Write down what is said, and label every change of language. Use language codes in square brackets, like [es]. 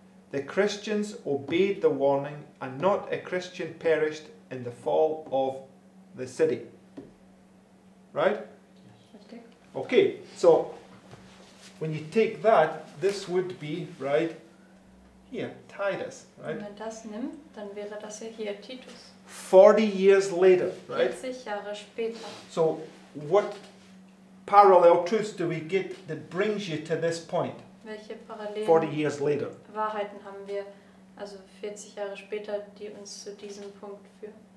[en] The Christians obeyed the warning, and not a Christian perished in the fall of the city. Right? Okay, so when you take that, this would be right here, Titus, right? [de] Wenn man das nimmt, dann wäre das ja hier Titus. [en] 40 years later, right? [de] 40 Jahre später. [en] So what parallel truths do we get that brings you to this point? [de] Welche parallelen [en] 40 years later. [de] Wahrheiten haben wir also 40 Jahre später, die uns zu diesem Punkt führen?